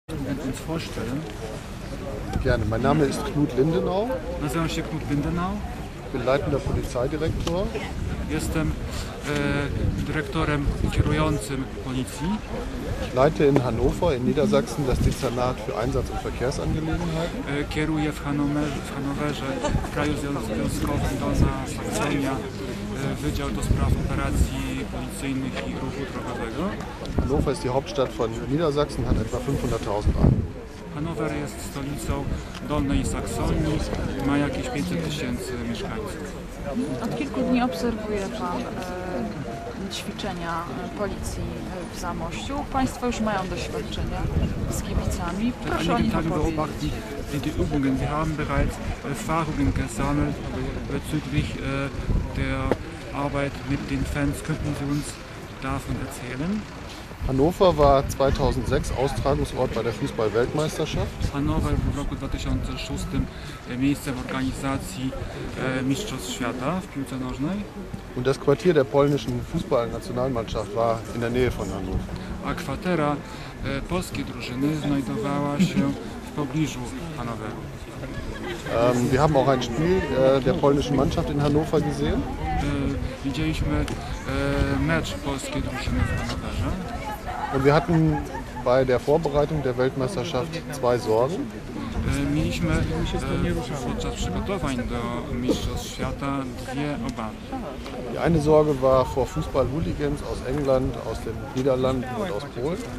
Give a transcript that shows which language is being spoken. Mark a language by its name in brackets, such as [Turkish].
[German] Kannst du uns vorstellen? Gerne. Mein Name ist Knut Lindenau. Was ist der Knut Lindenau? Ich bin leitender Polizeidirektor. [Polish] Jestem Direktorem kierującym Policji. [German] Ich leite in Hannover, in Niedersachsen, das Dezernat für Einsatz- und Verkehrsangelegenheiten. [Polish] Kieruję w Hannoverze, w kraju związkowym Dolna Saksonia, Wydział do spraw operacji policyjnych i ruchu drogowego. [German] Hannover ist die Hauptstadt von Niedersachsen, hat etwa 500.000 Einwohner. [Polish] Hannover jest stolicą Dolnej Saksonii, ma jakieś 500 tysięcy mieszkańców. Od kilku dni obserwuje Pan ćwiczenia policji w Zamościu. Państwo już mają doświadczenie z kibicami. Proszę o nich opowiedzieć. [German] Die Übungen. Wir haben bereits Erfahrungen gesammelt bezüglich der Arbeit mit den Fans. Könnten Sie uns davon erzählen? Hannover war 2006 Austragungsort bei der Fußball-Weltmeisterschaft. Hannover war im Jahr 2006 [Polish] miejscem organizacji Mistrzostw Świata w piłce nożnej. [German] Und das Quartier der polnischen Fußballnationalmannschaft war in der Nähe von Hannover. [Polish] A kwatera polskiej drużyny znajdowała się w pobliżu Hannoveru. [German] Wir haben auch ein Spiel der polnischen Mannschaft in Hannover gesehen. [Polish] Widzieliśmy mecz polskiej drużyny w Hannoverze. [German] Und wir hatten bei der Vorbereitung der Weltmeisterschaft zwei Sorgen. [Polish] Mieliśmy podczas przygotowań do Mistrzostw Świata dwie obawy. [German] Die eine Sorge war vor Fußball-Hooligans aus England, aus den Niederlanden und aus Polen.